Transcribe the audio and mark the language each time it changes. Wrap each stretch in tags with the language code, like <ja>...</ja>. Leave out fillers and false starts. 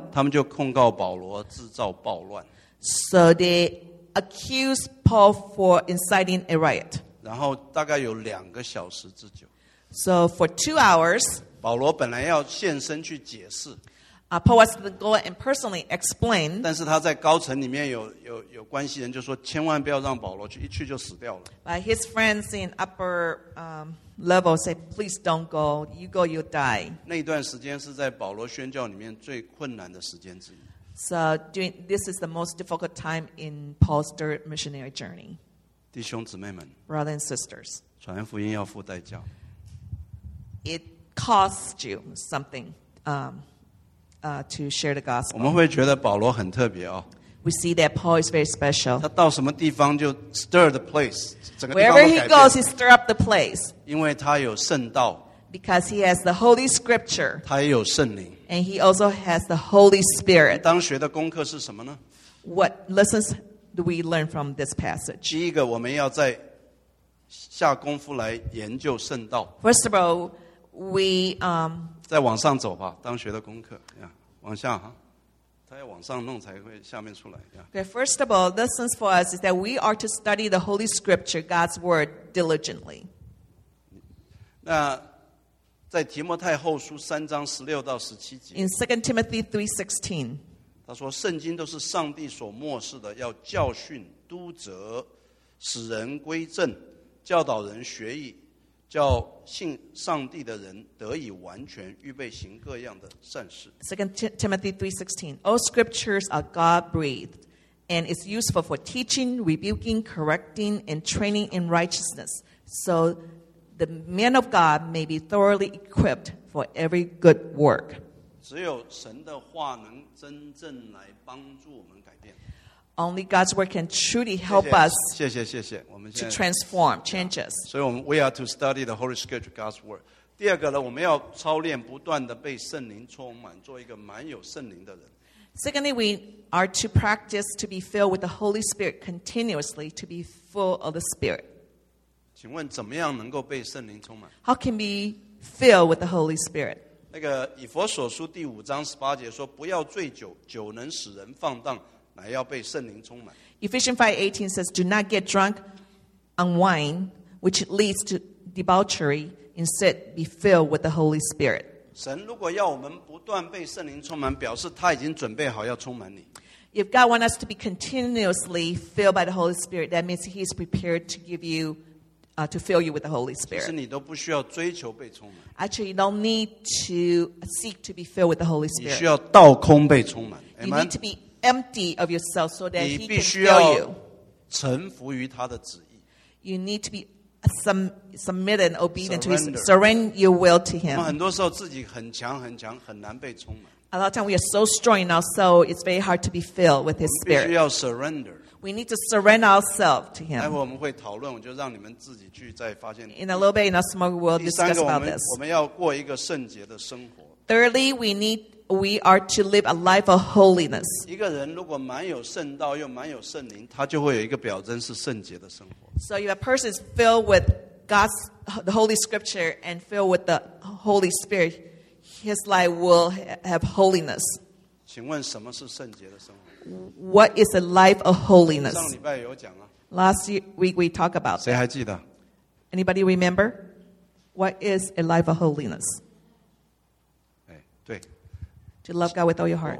<zh>他们就控告保罗制造暴乱。</zh> <en>So they accused Paul for inciting a riot.</en> <zh>然后大概有两个小时之久。</zh> <en>So for 2 hours,</en> <zh>保罗本来要现身去解释。</zh> <en>Paul was going to go and personally explain.</en> <zh>但是他在高层里面有关系人就说千万不要让保罗去，一去就死掉了。</zh> <en>But his friends in upper level say, please don't go. You go, you'll die.</en> <zh>那一段时间是在保罗宣教里面最困难的时间之一。</zh> <en>So this is the most difficult time in Paul's third missionary journey.</en> <zh>弟兄姊妹们</zh> <en>brothers and sisters,</en> <zh>传福音要付代价。</zh> <en>It costs you something to share the gospel.</en> <zh>我们会觉得保罗很特别哦。</zh> <en>We see that Paul is very special.</en> <zh>他到什么地方就</zh> <en>stir the place. Wherever he goes, he stir up the place.</en> <zh>因为他有圣道。</zh> <en>Because he has the Holy Scripture.</en> <zh>他也有圣灵。</zh> <en>And he also has the Holy Spirit.</en> <zh>当学的功课是什么呢？</zh> <en>What lessons do we learn from this passage?</en> <zh>第一个，我们要在下功夫来研究圣道。</zh> <en>First of all, we...</en> <zh>再往上走吧，当学的功课。</zh> <en>Yeah,</en> <zh>往下哈。他要往上弄才会下面出来。</zh> <en>Yeah. Okay, first of all, lessons for us is that we are to study the Holy Scripture, God's Word, diligently.</en> <zh>那在提摩太后书三章十六到十七节。</zh> <en>In 2 Timothy 3:16,</en> <zh>他说：“圣经都是上帝所默示的，要教训、督责、使人归正、教导人学义，叫信上帝的人得以完全预备行各样的善事。</zh> <en>2 Timothy 3:16 All scriptures are God-breathed and is useful for teaching, rebuking, correcting, and training in righteousness so the man of God may be thoroughly equipped for every good work.</en> <zh>只有神的话能真正来帮助我们改变。</zh> <en>Only God's word can truly help us to transform, change us.</en> <zh>所以我们</zh> <en>we are to study the Holy Scripture, God's word.</en> <zh>第二个呢，我们要操练不断地被圣灵充满，做一个满有圣灵的人。</zh> <en>Secondly, we are to practice to be filled with the Holy Spirit continuously, to be full of the Spirit.</en> <zh>请问怎么样能够被圣灵充满？</zh> <en>How can we fill with the Holy Spirit?</en> <zh>那个以弗所书第五章十八节说，不要醉酒，酒能使人放荡，乃要被圣灵充满。</zh> <en>Ephesians 5:18 says, do not get drunk. On wine, which leads to debauchery, instead be filled with the Holy Spirit.</en> <zh>神如果要我们不断被圣灵充满，表示他已经准备好要充满你。</zh> <en>If God wants us to be continuously filled by the Holy Spirit, that means He is prepared to give you, to fill you with the Holy Spirit.</en> <zh>其实你都不需要追求被充满。</zh> <en>Actually, you don't need to seek to be filled with the Holy Spirit.</en> <zh>你需要倒空被充满。</zh> <en>You need to be empty of yourself so that he can fill you.</en> <zh>臣服于他的旨意。</zh> <en>You need to be submitted and obedient to his surrender your will to him.</en> <zh>我们很多时候自己很强很强，很难被充满。</zh> <en>A lot of times we are so strong in our soul, it's very hard to be filled with his spirit.</en> <zh>我们必须要 surrender.</zh> <en>We need to surrender ourselves to him.</en> <zh>待会我们会讨论，我就让你们自己去再发现。</zh> <en>In a little bit, in a small world, discuss about this.</en> <zh>第三个，我们要过一个圣洁的生活。</zh> <en>Thirdly, we are to live a life of holiness.</en> <zh>一个人如果满有圣道又满有圣灵，他就会有一个表征是圣洁的生活。</zh> <en>So if a person is filled with God's the Holy Scripture and filled with the Holy Spirit, his life will have holiness.</en> <zh>请问什么是圣洁的生活？</zh> <en>What is a life of holiness?</en> <zh>上礼拜有讲啊。</zh> <en>Last week we talked about.</en> <zh>谁还记得？</zh> <en>Anybody remember? What is a life of holiness?</en> <zh>哎，对。</zh> <en>To love God with all your heart.</en>